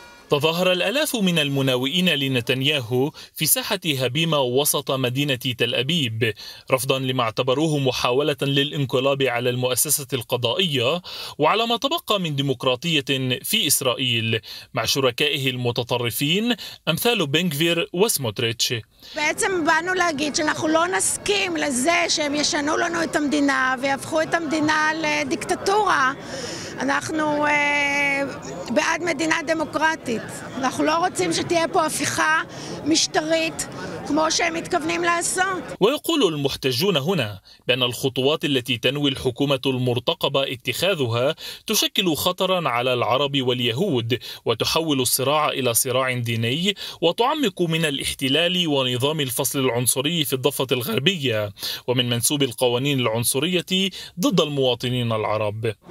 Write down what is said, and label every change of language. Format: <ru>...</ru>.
<ar>تظاهر الآلاف من المناوئين لنتنياهو في ساحة هبيمة وسط مدينة تل أبيب رفضا لما اعتبروه محاولة للانقلاب على المؤسسة القضائية وعلى ما تبقى من ديمقراطية في إسرائيل مع شركائه المتطرفين أمثال بنغفير وسموتريتش.</ar> <he>بعצם באנו להגיד שאנחנו לא נסכים לזה שהם ישנו לנו את המדינה והפכו את המדינה לדיקטטורה. אנחנו בעד מדינה דמוקרטית. אנחנו לא רוצים שתהיה פה הפיכה משטרית</he> <ar>ويقول المحتجون هنا بأن الخطوات التي تنوي الحكومة المرتقبة اتخاذها تشكل خطرا على العرب واليهود، وتحول الصراع إلى صراع ديني، وتعمق من الاحتلال ونظام الفصل العنصري في الضفة الغربية، ومن منسوب القوانين العنصرية ضد المواطنين العرب.</ar>